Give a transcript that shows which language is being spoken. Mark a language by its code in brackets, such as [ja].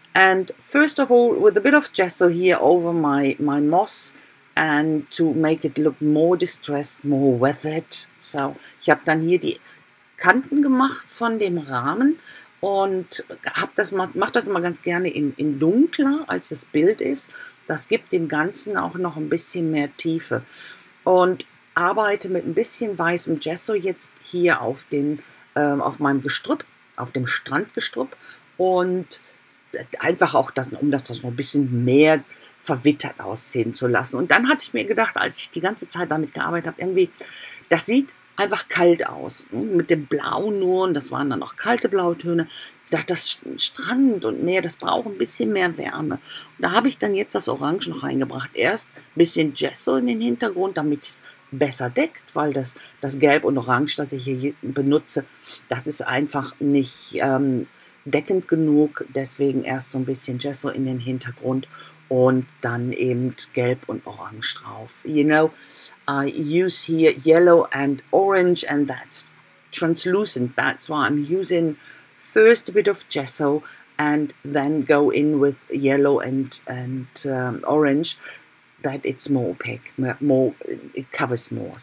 [en] And first of all, with a bit of gesso here over my moss, and to make it look more distressed, more weathered. [de] So, ich habe dann hier die Kanten gemacht von dem Rahmen. Und mach das immer ganz gerne in dunkler, als das Bild ist. Das gibt dem Ganzen auch noch ein bisschen mehr Tiefe. Und arbeite mit ein bisschen weißem Gesso jetzt hier auf den auf meinem Gestrüpp, auf dem Strandgestrüpp. Und einfach auch, um das noch ein bisschen mehr verwittert aussehen zu lassen. Und dann hatte ich mir gedacht, als ich die ganze Zeit damit gearbeitet habe, irgendwie, das sieht einfach kalt aus. Mit dem Blau nur, und das waren dann auch kalte Blautöne. Ich dachte, das Strand und Meer, das braucht ein bisschen mehr Wärme. Und da habe ich dann jetzt das Orange noch reingebracht. Erst ein bisschen Gesso in den Hintergrund, damit es besser deckt, weil das Gelb und Orange, das ich hier benutze, das ist einfach nicht deckend genug. Deswegen erst so ein bisschen Gesso in den Hintergrund und dann eben Gelb und Orange drauf. [en] You know, I use here yellow and orange, and that's translucent. That's why I'm using first a bit of gesso and then go in with yellow and orange, that it's more opaque, more, it covers more.